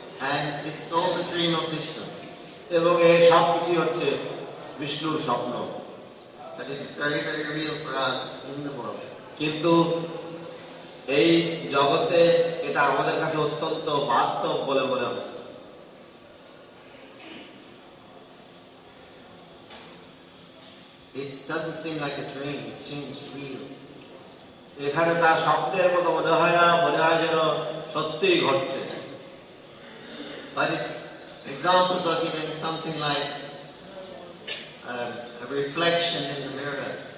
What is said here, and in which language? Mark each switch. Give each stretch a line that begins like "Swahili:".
English: And it's all the dream of Vishnu.
Bangla: এবং এই সব কিছু হচ্ছে বিষ্ণুর স্বপ্ন.
English: That is very, very real for us in the world.
Bangla: কিন্তু এই জগতে এটা আমাদের কাছে অত্যন্ত বাস্তব বলে মনে হয়।
English: It doesn't seem like a dream, it seems real.
Bangla: এখানে তার স্বপ্নের মতো মনে হয় না, মনে হয় যেন সত্যি ঘটছে।
English: But its examples are given something like a reflection in the mirror.